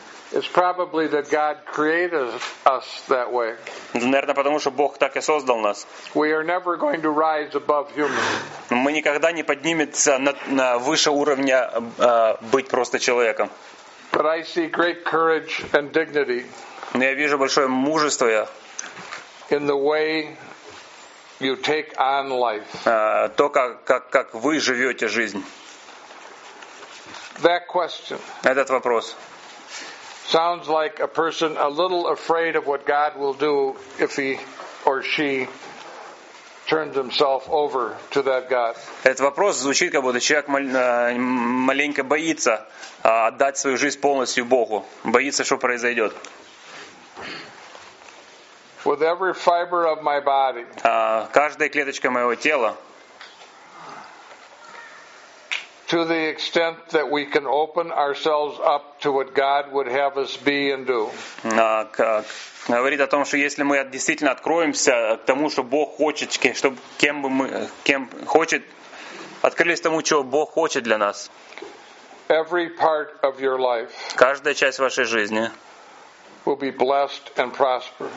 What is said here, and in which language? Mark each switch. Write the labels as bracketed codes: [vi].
[en] It's probably that God created us that way. [ru] Наверное, потому что Бог так и создал нас. [en] We are never going to rise above human. [ru] Мы никогда не поднимемся на выше уровня быть просто человеком. [en] But I see great courage and dignity. [ru] Но я вижу большое мужество. [en] In the way you take on life. [ru] То как вы живете жизнь. [en] That question. [ru] Этот вопрос. [en] Sounds like a person a little afraid of what God will do if he or she turns himself over to that God. [ru] Этот вопрос звучит, как будто человек маленько боится отдать свою жизнь полностью Богу, боится, что произойдет. [en] With every fiber of my body. [ru] Каждая клеточка моего тела. [en] To the extent that we can open ourselves up to what God would have us be and do. [ru] Говорит о том, что если мы действительно откроемся к тому, что Бог хочет, чтобы кем бы мы, кем хочет, открылись тому, чего Бог хочет для нас. [en] Every part of your life. [ru] Каждая часть вашей жизни. [en] Will be blessed and prosper.